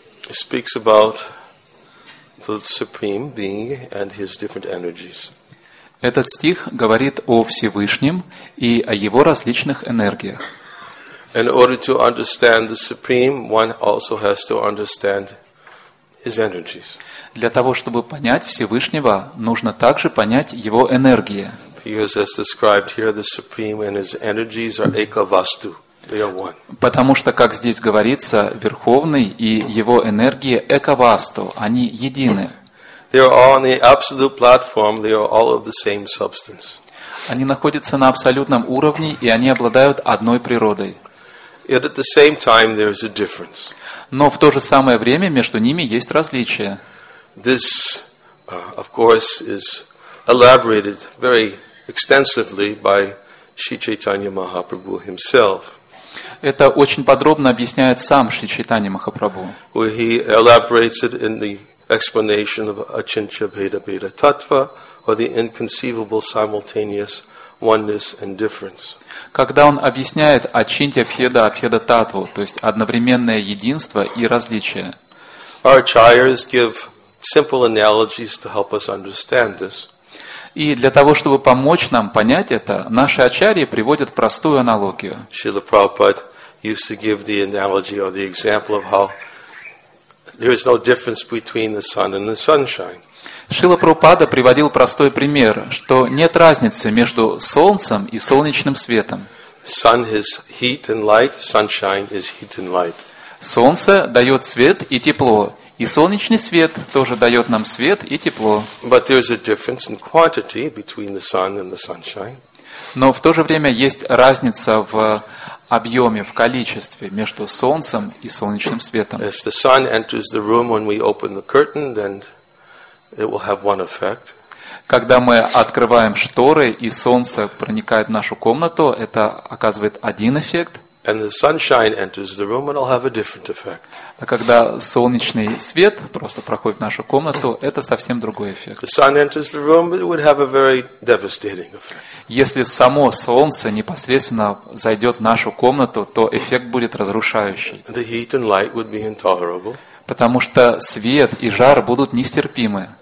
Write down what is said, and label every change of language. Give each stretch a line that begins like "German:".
English: speaks about the Supreme Being and His different energies.
Russian: Этот стих говорит о Всевышнем и о Его различных энергиях.
English: In order to understand the Supreme, one also has to understand His energies.
Russian: Для того, чтобы понять Всевышнего, нужно также понять Его энергии.
English: Because as described here, the Supreme and His energies are Ekavastu. They are one.
Russian: Потому что, как здесь говорится, Верховный и Его энергии Экавасту, они едины.
English: They are all on the absolute platform, they are all of the same substance.
Russian: Они находятся на абсолютном уровне, и они обладают одной природой.
English: Yet at the same time there is a difference.
Russian: Но в то же самое время между ними есть различия.
English: This, of course, is elaborated very extensively by Sri Chaitanya Mahaprabhu himself.
Russian: Это очень подробно объясняет сам Шри Чайтанья Махапрабху.
English: Where he elaborates it in the explanation of Achintya Bheda Bheda Tattva, or the inconceivable simultaneous oneness and difference.
Russian: Когда он объясняет Ачинтья Бхеда Абхеда Таттву, то есть одновременное единство и различие.
English: Our acharyas give simple analogies to help us understand this.
Russian: И для того, чтобы помочь нам понять это, наши ачарьи приводят простую аналогию.
English: Шрила Прабхупад used to give the analogy or the example of how there is no difference between the sun and the sunshine.
Russian: Шрила Прабхупада приводил простой пример, что нет разницы между солнцем и солнечным светом.
English: Sun is heat and light, sunshine is heat and light.
Russian: Солнце дает свет и тепло, и солнечный свет тоже дает нам свет и тепло.
English: But there is a difference in quantity between the sun and the sunshine.
Russian: Но в то же время есть разница в объеме, в количестве между солнцем и солнечным светом.
English: If the sun enters the room when we open the curtain, then it will have one effect.
Russian: Когда мы открываем шторы и солнце проникает в нашу комнату, это оказывает один эффект.
English: And the sunshine enters the room, it'll have a different effect.
Russian: А когда солнечный свет просто проходит в нашу комнату, это совсем другой эффект.
English: The sun enters the room, it would have a very devastating effect.
Russian: Если само солнце непосредственно зайдет в нашу комнату, то эффект будет разрушающий.
English: The heat and light would be intolerable.
Russian: Потому что свет и жар будут нестерпимы.